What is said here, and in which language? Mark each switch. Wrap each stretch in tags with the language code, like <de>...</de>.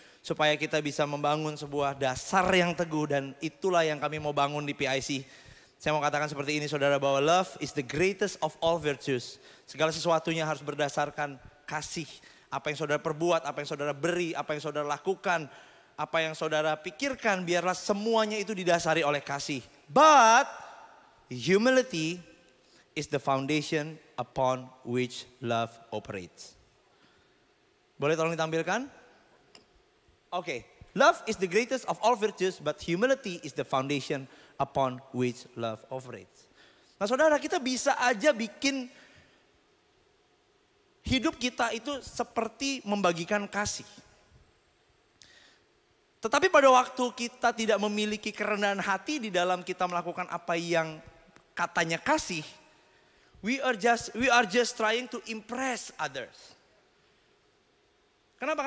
<id>Supaya kita bisa membangun sebuah dasar yang teguh, dan itulah yang kami mau bangun di PIC. Saya mau katakan seperti ini saudara, bahwa</id> <en>love is the greatest of all virtues.</en> <id>Segala sesuatunya harus berdasarkan kasih. Apa yang saudara perbuat, apa yang saudara beri, apa yang saudara lakukan, apa yang saudara pikirkan, biarlah semuanya itu didasari oleh kasih.</id> <en>But humility is the foundation upon which love operates.</en> <id>Boleh tolong ditampilkan? Oke, okay.</id> <en>Love is the greatest of all virtues, but humility is the foundation upon which love operates.</en> <id>Nah saudara, kita bisa aja bikin hidup kita itu seperti membagikan kasih. Tetapi pada waktu kita tidak memiliki kerendahan hati di dalam kita melakukan apa yang katanya kasih,</id> <en>we are just trying to impress others.</en> <id>Kenapa?</id>